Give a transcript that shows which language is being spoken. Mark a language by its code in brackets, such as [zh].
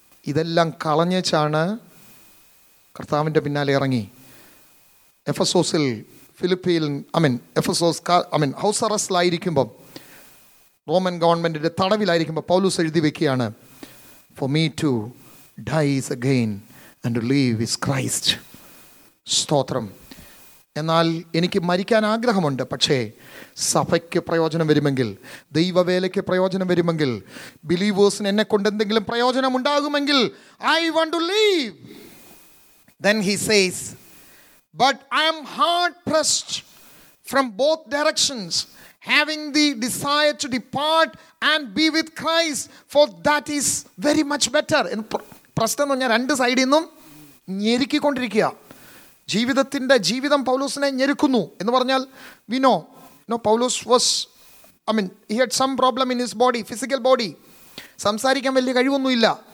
[ml] ഇതെല്ലാം കളഞ്ഞാണ് കർത്താവിൻ്റെ പിന്നാലെ ഇറങ്ങി എഫസോസിൽ, Philippine, I mean Ephesus I mean house അറസ്റ്റിലായിരിക്കുമ്പം, Roman ഗവൺമെൻറ്റിൻ്റെ തടവിലായിരിക്കുമ്പോൾ പൗലോസ് എഴുതി വയ്ക്കുകയാണ്, [en] For me to die is again and to live is Christ. [ml] സ്തോത്രം. എന്നാൽ എനിക്ക് മരിക്കാൻ ആഗ്രഹമുണ്ട്, പക്ഷേ സഭയ്ക്ക് പ്രയോജനം വരുമെങ്കിൽ, ദൈവവേലയ്ക്ക് പ്രയോജനം വരുമെങ്കിൽ, ബിലീവേഴ്സിന് എന്നെ കൊണ്ട് എന്തെങ്കിലും പ്രയോജനം ഉണ്ടാകുമെങ്കിൽ, [en] I want to live. Then he says But I am hard-pressed from both directions, having the desire to depart and be with Christ, for that is very much better. [ml] പ്രശ്നം എന്ന് പറഞ്ഞാൽ രണ്ട് സൈഡിൽ നിന്നും ഞെരുക്കിക്കൊണ്ടിരിക്കുക. ജീവിതത്തിൻ്റെ ജീവിതം പൗലോസിനെ ഞെരുക്കുന്നു എന്ന് പറഞ്ഞാൽ, [en] We know know Paulose was I mean he had some problem in his body, physical body. [ml] സംസാരിക്കാൻ വലിയ കഴിവൊന്നുമില്ല,